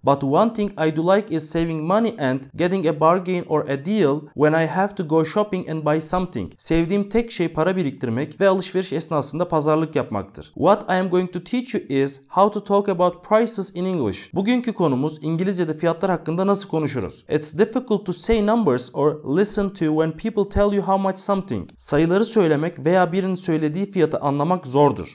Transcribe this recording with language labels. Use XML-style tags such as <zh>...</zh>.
<en>But one thing I do like is saving money and getting a bargain or a deal when I have to go shopping and buy something.</en> <tr>Sevdiğim tek şey para biriktirmek ve alışveriş esnasında pazarlık yapmaktır.</tr> <en>What I am going to teach you is how to talk about prices in English.</en> <tr>Bugünkü konumuz İngilizce'de fiyatlar hakkında nasıl konuşuruz?</tr> <en>It's difficult to say numbers or listen to when people tell you how much something.</en> <tr>Sayıları söylemek veya birinin söylediği fiyatı anlamak zordur.</tr>